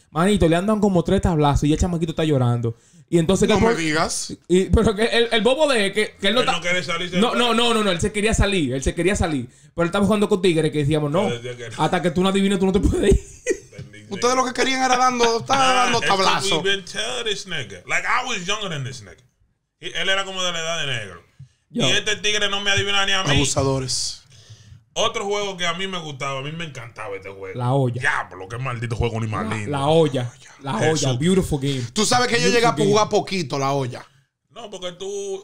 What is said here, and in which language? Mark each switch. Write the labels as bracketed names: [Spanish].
[Spanish] Manito, le andan como tres tablazos y el chamaquito está llorando. Y entonces, no me digas. Y, pero que el bobo de que él no, él no quiere salir. No, él se quería salir. Él se quería salir. Pero él estaba jugando con tigres que decíamos, no. Que hasta que tú no adivines, tú no te puedes ir. Ustedes lo que querían era dando, dando tablazo. [English] We've been telling this nigga. Like, I was younger than this nigga. [Spanish] Él era como de la edad de negro. Yo. Y este tigre no me adivina ni a mí. Abusadores. Otro juego que a mí me gustaba, a mí me encantaba este juego. La olla. Diablo, qué maldito juego ni más lindo. La olla. La olla. Eso. [English] Beautiful game. [Spanish] Tú sabes que beautiful yo llegué a jugar poquito la olla. No, porque tú...